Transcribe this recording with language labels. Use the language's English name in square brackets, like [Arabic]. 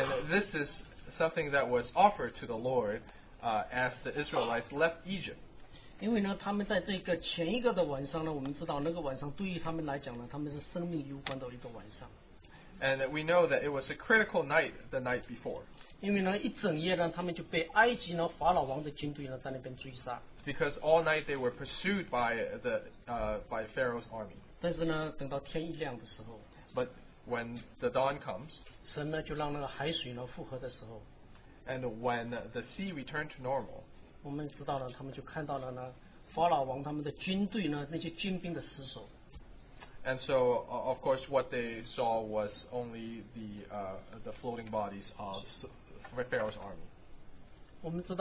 [English] this is something that was offered to the Lord. As the Israelites left Egypt. [Chinese] 因为呢，他们在这个前一个的晚上呢，我们知道那个晚上对于他们来讲呢，他们是生命攸关的一个晚上。And [English] we know that it was a critical night the night before. [Chinese] 因为呢，一整夜呢，他们就被埃及呢法老王的军队呢在那边追杀。Because [English] all night they were pursued by the by Pharaoh's army. [Chinese] 但是呢，等到天一亮的时候。But [English] when the dawn comes. [Chinese] 神呢就让那个海水呢复合的时候。 [English] And when the sea returned to normal, [Chinese] 我们知道了，他们就看到了呢，法老王他们的军队呢，那些军兵的尸首。 [English] And so, of course, what they saw was only the floating bodies of Pharaoh's army.